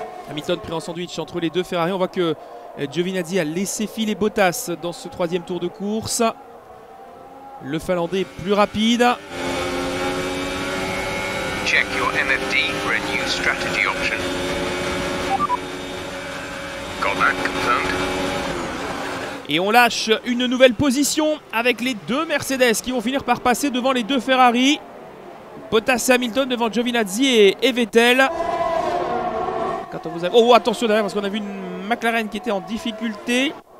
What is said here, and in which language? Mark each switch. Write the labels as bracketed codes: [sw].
[fr] Hamilton pris en sandwich entre les deux Ferrari. On voit que Giovinazzi a laissé filer Bottas dans ce troisième tour de course. Le Finlandais est plus rapide. [en] Check your MFD for a new strategy option. Got that confirmed. [fr] Et on lâche une nouvelle position avec les deux Mercedes qui vont finir par passer devant les deux Ferrari. Bottas et Hamilton devant Giovinazzi et Vettel. Quand on vous a... Oh, attention derrière parce qu'on a vu une McLaren qui était en difficulté.